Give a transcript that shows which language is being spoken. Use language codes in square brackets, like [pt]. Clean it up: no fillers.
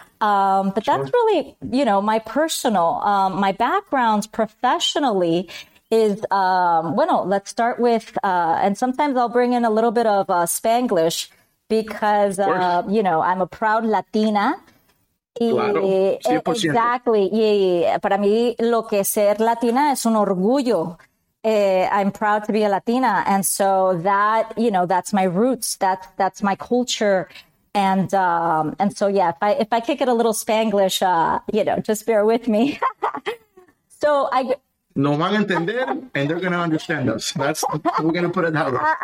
[en] But sure. That's really, you know, my personal, my background professionally is, let's start with, and sometimes I'll bring in a little bit of Spanglish because, you know, I'm a proud Latina. [es] Claro. [en] Exactly. [es] Para mí, lo que ser Latina es un orgullo. [en] I'm proud to be a Latina. And so that, you know, that's my roots. That's my culture. And so, yeah, if I kick it a little Spanglish, you know, just bear with me. [es] No van a entender, [en] and they're going to understand us. That's, we're going to put it that way.